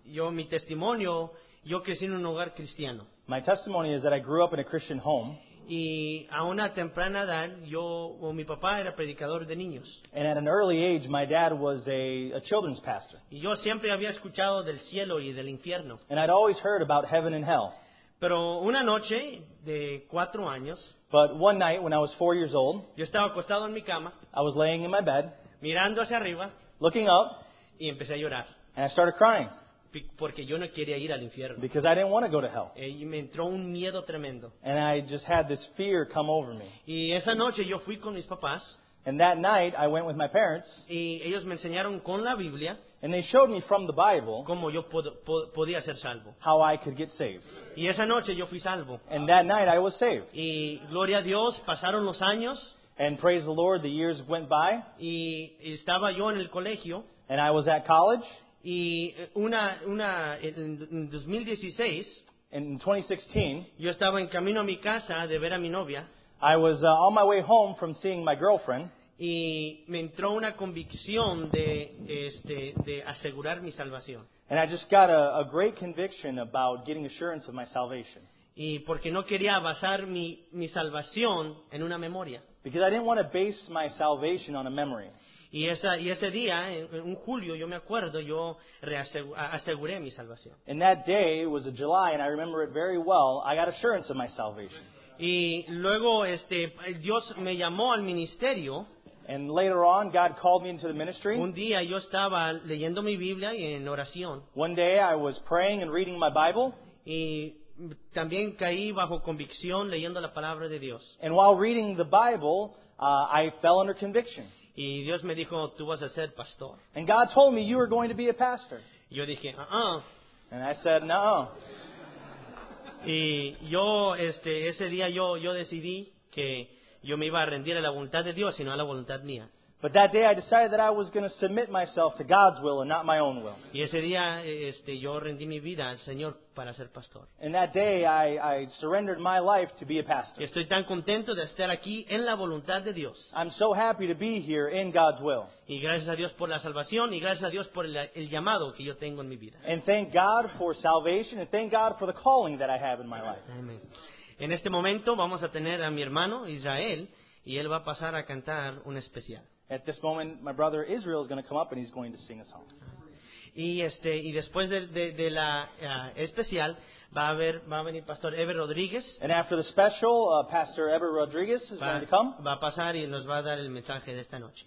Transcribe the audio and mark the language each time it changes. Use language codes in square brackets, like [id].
[es] Mi testimonio, yo crecí en un hogar cristiano. [en] My testimony is that I grew up in a Christian home. [es] Y a una temprana edad, mi papá era predicador de niños. [en] And at an early age, my dad was a children's pastor. [es] Y yo siempre había escuchado del cielo y del infierno. [en] And I'd always heard about heaven and hell. [es] Pero una noche de 4 años. [en] But one night when I was 4 years old. [es] Yo estaba acostado en mi cama. [en] I was laying in my bed. [es] Mirando hacia arriba, [en] looking up, [es] y empecé a llorar. [en] And I started crying. [es] Porque yo no quería ir al infierno. [en] Because I didn't want to go to hell. [es] Y me entró un miedo tremendo. [en] And I just had this fear come over me. [es] Y esa noche yo fui con mis papás. [en] And that night I went with my parents. [es] Y ellos me enseñaron con la Biblia. [en] And they showed me from the Bible. [es] Cómo yo podía ser salvo. [en] How I could get saved. [es] Y esa noche yo fui salvo. [en] And that night I was saved. [es] Y gloria a Dios, pasaron los años. [en] And praise the Lord, the years went by. [es] Y estaba yo en el colegio. [en] And I was at college. [es] Y en 2016. [en] In 2016. [es] Yo estaba en camino a mi casa de ver a mi novia. [en] I was on my way home from seeing my girlfriend. [es] Y me entró una convicción de asegurar mi salvación. [en] And I just got a great conviction about getting assurance of my salvation. [es] Y porque no quería basar mi salvación en una memoria. [en] Because I didn't want to base my salvation on a memory. [es] Y ese día, en julio, yo me acuerdo, yo aseguré mi salvación. [en] And that day, it was a July, and I remember it very well, I got assurance of my salvation. [es] Y luego, Dios me llamó al ministerio. [en] And later on, God called me into the ministry. [es] Un día, yo estaba leyendo mi Biblia y en oración. [en] One day, I was praying and reading my Bible. [es] Y también caí bajo convicción leyendo la palabra de Dios. [en] And while reading the Bible, I fell under conviction. [es] Y Dios me dijo, tú vas a ser pastor. [en] And God told me, you are going to be a pastor. [es] Yo dije, uh-uh. [en] And I said, no. [es] Y yo, ese día yo decidí que yo me iba a rendir a la voluntad de Dios y no a la voluntad mía. [en] But that day I decided that I was going to submit myself to God's will and not my own will. [es] Y ese día yo rendí mi vida al Señor para ser pastor. [en] And that day I surrendered my life to be a pastor. [es] Y estoy tan contento de estar aquí en la voluntad de Dios. [en] I'm so happy to be here in God's will. [es] Y gracias a Dios por la salvación y gracias a Dios por el llamado que yo tengo en mi vida. [en] And thank God for salvation and thank God for the calling that I have in my life. Amen. [es] En este momento vamos a tener a mi hermano Israel y él va a pasar a cantar un especial. [en] At this moment, my brother Israel is going to come up and he's going to sing a song. [es] Y después de la especial, va a venir Pastor Eber Rodríguez. [en] And after the special, Pastor Eber Rodríguez is going to come. [es] Va a pasar y nos va a dar el mensaje de esta noche.